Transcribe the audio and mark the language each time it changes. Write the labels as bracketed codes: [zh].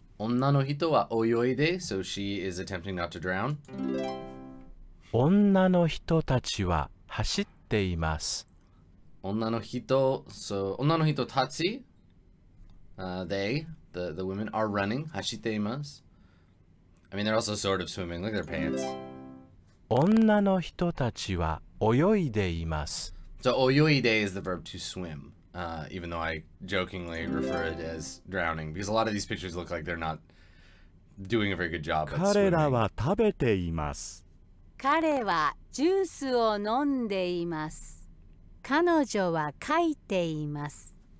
[ja] Onnanohitoはおよいで, [en] so she is attempting not to drown. [ja] 女の人たちは走っています。 [en] Onnanohito, so onnanohitotachi, the women are running, hashiteimasu. I mean, they're also sort of swimming. Look at their pants. [ja] 女の人たちは 泳いでいます。 [en] So, oyoide is the verb to swim, even though I jokingly refer it as drowning, because a lot of these pictures look like they're not doing a very good job at swimming. [ja] 彼らは食べています。彼はジュースを飲んでいます。 彼女は書いています。